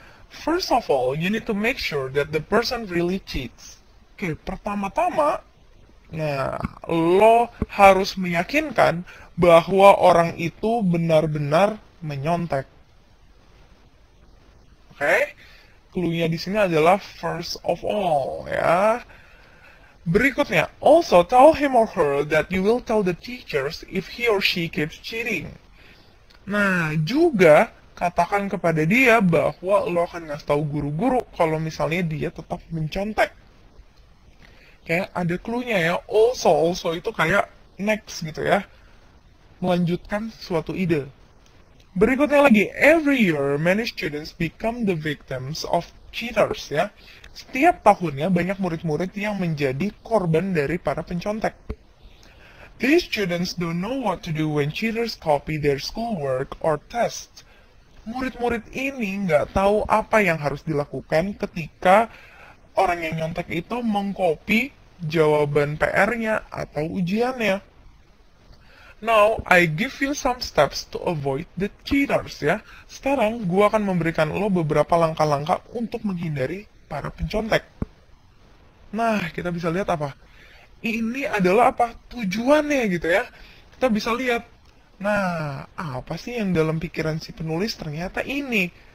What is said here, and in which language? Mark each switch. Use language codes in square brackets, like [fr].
[en] First of all, you need to make sure that the person really cheats. [id] Oke, pertama-tama, nah, lo harus meyakinkan bahwa orang itu benar-benar menyontek. Oke, clue-nya di sini adalah first of all, ya. Berikutnya, [en] also tell him or her that you will tell the teachers if he or she keeps cheating. [id] Nah, juga katakan kepada dia bahwa lo akan ngasih tahu guru-guru kalau misalnya dia tetap mencontek. kayak ada clue-nya ya. Also, also itu kayak next gitu ya. Melanjutkan suatu ide. Berikutnya lagi, [en] every year many students become the victims of cheaters ya. [id] Setiap tahunnya banyak murid-murid yang menjadi korban dari para pencontek. [en] These students don't know what to do when cheaters copy their schoolwork or test. [id] Murid-murid ini nggak tahu apa yang harus dilakukan ketika orang yang nyontek itu mengcopy jawaban PR-nya atau ujiannya. [en] Now, I give you some steps to avoid the cheaters, ya. [id] Sekarang, gue akan memberikan lo beberapa langkah-langkah untuk menghindari para pencontek. Nah, kita bisa lihat apa? Ini adalah apa? Tujuannya, gitu ya. Kita bisa lihat. Nah, apa sih yang dalam pikiran si penulis ternyata ini?